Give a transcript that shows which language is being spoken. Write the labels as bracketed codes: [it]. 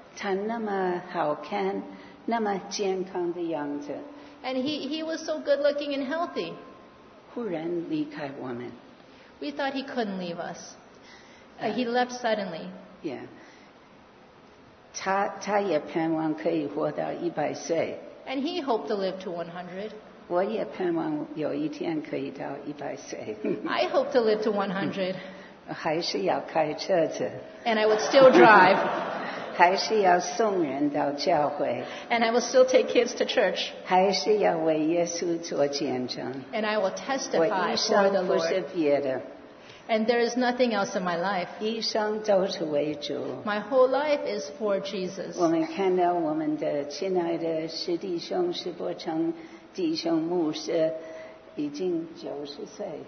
[zh] 他那么好看, 那么健康的样子. [en] And he was so good looking and healthy. [zh] 忽然离开我们. [en] We thought he couldn't leave us. He left suddenly. [zh] Yeah. 他也盼望可以活到100岁. [en] And he hoped to live to 100. [zh] 我也盼望有一天可以到100岁。 [en] I hope to live to 100. [zh] 还是要开车子。 [en] And I would still drive. [zh] 还是要送人到教会。 [en] And I will still take kids to church. [zh] 还是要为耶稣做见证。 [en] And I will testify for the Lord. And there is nothing else in my life. [zh] 一生都是为主。 [en] My whole life is for Jesus. [zh] 我们看到我们的亲爱的师弟兄师伯成 弟兄牧师已经90岁。